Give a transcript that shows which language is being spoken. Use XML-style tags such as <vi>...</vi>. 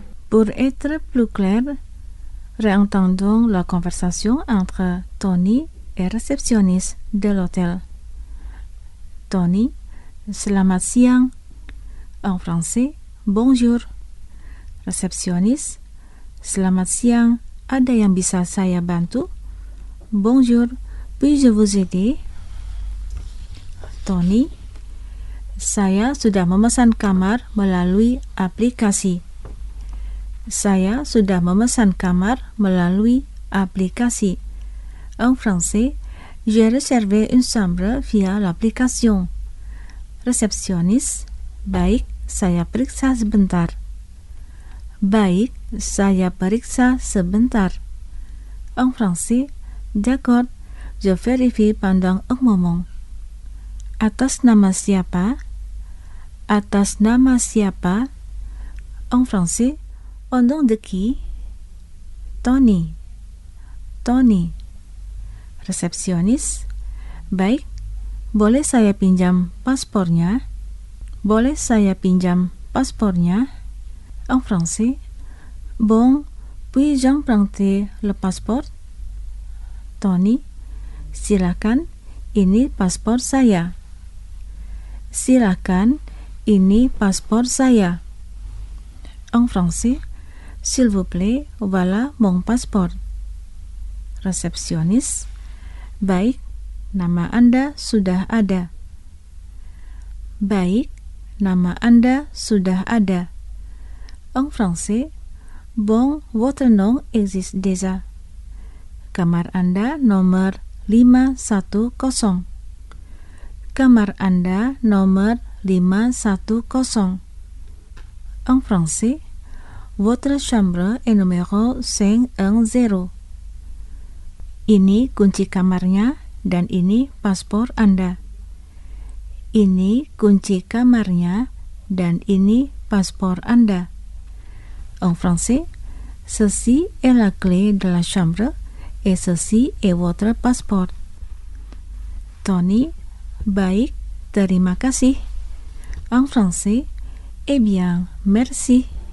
<fr>Pour être plus clair, réentendons la conversation entre Tony et réceptionniste de l'hôtel.</fr> <id>Tony, selamat siang.</id> <fr>En français, bonjour.</fr> <id>Réceptionniste, selamat siang. Ada yang bisa saya bantu?</id> <fr>Bonjour, puis-je vous aider?</fr> <id>Tony, saya sudah memesan kamar melalui aplikasi. Saya sudah memesan kamar melalui aplikasi.</id> <fr>En français, j'ai réservé une chambre via l'application.</fr> <id>Réceptionniste, baik, saya periksa sebentar. Baik, saya periksa sebentar.</id> <fr>En français, d'accord, je vérifie pendant un moment.</fr> <id>Atas nama siapa? Atas nama siapa?</id> <fr>En français, au nom de qui? Tony. Tony. Réceptionniste.</fr> <id>Baik, boleh saya pinjam paspornya? Boleh saya pinjam paspornya?</id> <fr>En français. Bon, puis-je emprunter le passeport?</fr> <id>Tony. Silakan, ini paspor saya. Silakan, ini paspor saya.</id> <fr>En français. S'il vous plaît, voilà mon passeport. Réceptionniste.</fr> <id>Baik, nama Anda sudah ada. Baik, nama Anda sudah ada.</id> <fr>En français. Bon, votre nom existe déjà.</fr> <id>Kamar Anda nomor 510. Kamar Anda nomor 510.</id> <fr>En français. Votre chambre est numéro 510.</fr> <id>Ini kunci kamarnya dan ini paspor Anda. Ini kunci kamarnya dan ini paspor Anda.</id> <fr>en français, ceci est la clé de la chambre et ceci est votre passeport. Tony,</fr> <id>baik, terima kasih.</id> <fr>En français, eh bien, merci.</fr>